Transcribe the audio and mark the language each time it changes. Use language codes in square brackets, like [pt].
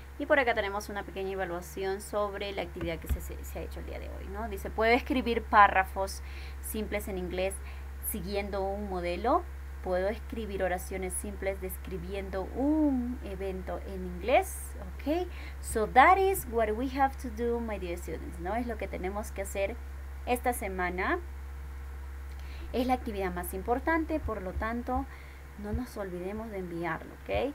[es] Y por acá tenemos una pequeña evaluación sobre la actividad que se ha hecho el día de hoy, ¿no? Dice, ¿puedo escribir párrafos simples en inglés siguiendo un modelo? ¿Puedo escribir oraciones simples describiendo un evento en inglés? [en] Okay. So that is what we have to do, my dear students, ¿no? [es] Es lo que tenemos que hacer esta semana. Es la actividad más importante, por lo tanto, no nos olvidemos de enviarlo, ¿ok?